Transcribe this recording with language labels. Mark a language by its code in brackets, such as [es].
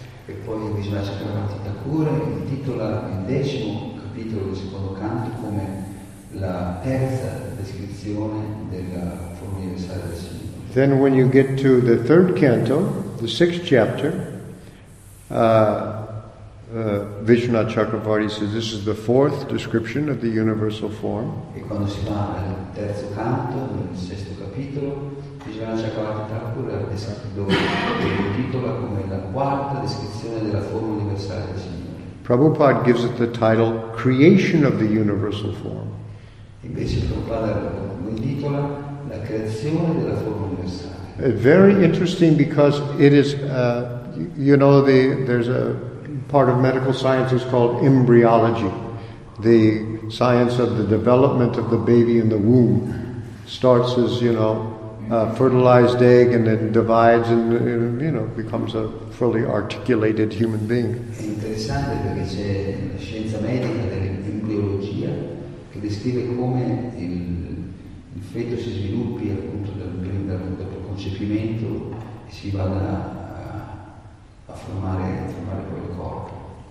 [it] E poi Vishnu Chakravarti Thakur intitola il decimo capitolo del secondo canto come la terza descrizione della forma universale del Signore. [en] Then when you get to the third canto, the sixth chapter, Vishnu Chakravarti says this is the fourth description of the universal form. [it] E quando si va al terzo canto, nel sesto capitolo, Vishnu Chakravarti Thakur intitola come la quarta descrizione della forma universale del Signore. [en] Prabhupada gives it the title Creation of the Universal Form. [it] Invece Prabhupada intitola la creazione della forma universale. [en] Very interesting, because it is there's a part of medical science is called embryology, the science of the development of the baby in the womb. Starts as a fertilized egg and then divides and becomes a fully articulated human being. [it] È interessante perché c'è la scienza medica dell'embriologia che descrive come il feto si sviluppi appunto dopo il concepimento e si vada a formare quel corpo.